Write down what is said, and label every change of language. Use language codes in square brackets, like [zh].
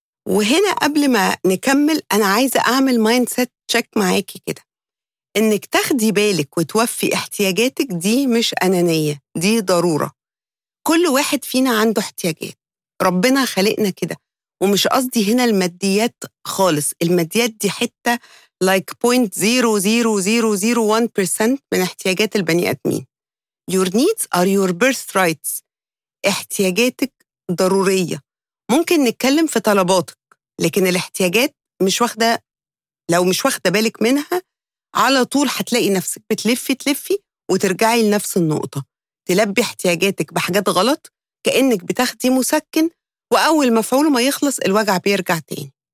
[ar] وهنا قبل ما نكمل انا عايزه اعمل [en] mindset check [ar] معاكي كده، انك تاخدي بالك وتوفي احتياجاتك دي مش انانيه، دي ضروره. كل واحد فينا عنده احتياجات، ربنا خلقنا كده، ومش قصدي هنا الماديات خالص، الماديات دي حته لايك 0.00001% من احتياجات البني ادمين. [en] Your needs are your birthrights. [ar] احتياجاتك ضروريه، ممكن نتكلم في طلباتك، لكن الاحتياجات مش واخده، لو مش واخده بالك منها على طول هتلاقي نفسك بتلفي تلفي وترجعي لنفس النقطه، تلبي احتياجاتك بحاجات غلط، كانك بتاخدي مسكن واول مفعوله ما يخلص الوجع بيرجع تاني.